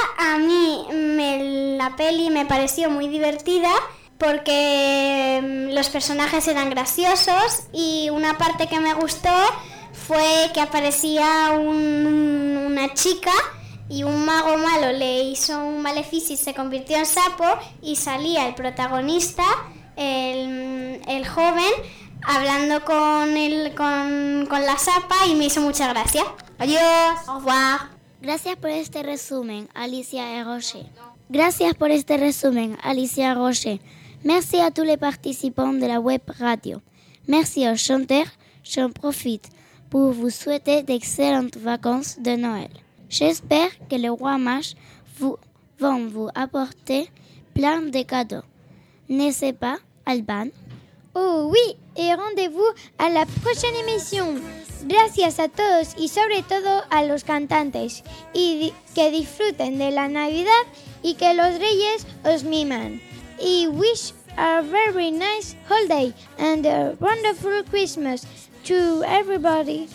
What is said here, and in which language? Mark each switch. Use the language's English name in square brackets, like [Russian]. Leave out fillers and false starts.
[Spanish] A mí la peli me pareció muy divertida porque los personajes eran graciosos y una parte que me gustó fue que aparecía una chica y un mago malo le hizo un maleficio y se convirtió en sapo y salía el protagonista, el joven, hablando con la zapa y me hizo mucha gracia. Adiós. [French] Au revoir. [Spanish] Gracias por este resumen, Alicia y Roger. Gracias por este resumen, Alicia y Roger. [French] Merci a tous les participants de la web radio. Merci aux chanteurs. J'en profite pour vous souhaiter d'excellentes vacances de Noël. J'espère que le roi mage va vous apporter plein de cadeaux. N'est-ce pas, Alban? Oh oui, et rendez-vous à la prochaine émission. [Spanish] Gracias a todos y sobre todo a los cantantes. Y que disfruten de la Navidad y que los reyes os miman. [English] Y wish a very nice holiday and a wonderful Christmas to everybody.